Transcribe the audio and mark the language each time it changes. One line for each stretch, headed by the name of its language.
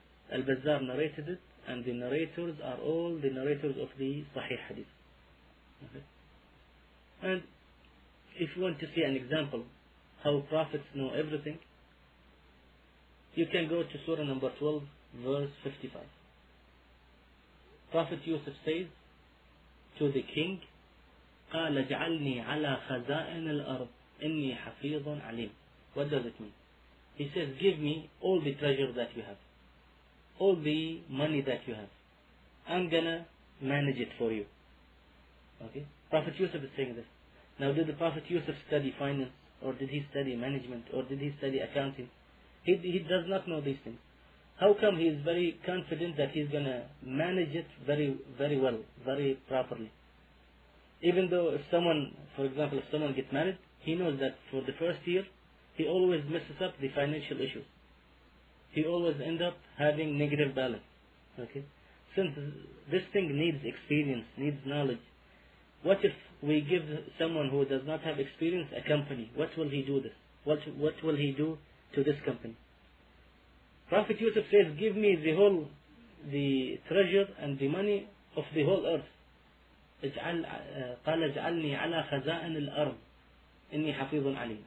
English: Al-Bazzar narrated it, and the narrators are all the narrators of the Sahih Hadith. Okay. And if you want to see an example how prophets know everything, you can go to Surah number 12, verse 55. Prophet Yusuf says to the king,
Arabic: قال اجعلني على خزائن الأرض إني حفيظ عليم.
English: What does it mean? He says, give me all the treasure that you have, all the money that you have. I'm gonna manage it for you. Okay? Prophet Yusuf is saying this. Now, did the Prophet Yusuf study finance, or did he study management, or did he study accounting? He does not know these things. How come he is very confident that he's gonna manage it very, very well, very properly? Even though if someone, for example, if someone gets married, he knows that for the first year, he always messes up the financial issues. He always ends up having negative balance. Okay? Since this thing needs experience, needs knowledge, what if we give someone who does not have experience a company? What will he do this? What will he do to this company? Prophet Yusuf says, give me the whole, the treasure and the money of the whole earth.
Arabic: قال اجعلني على خزائن الأرض إني حفيظ عليم.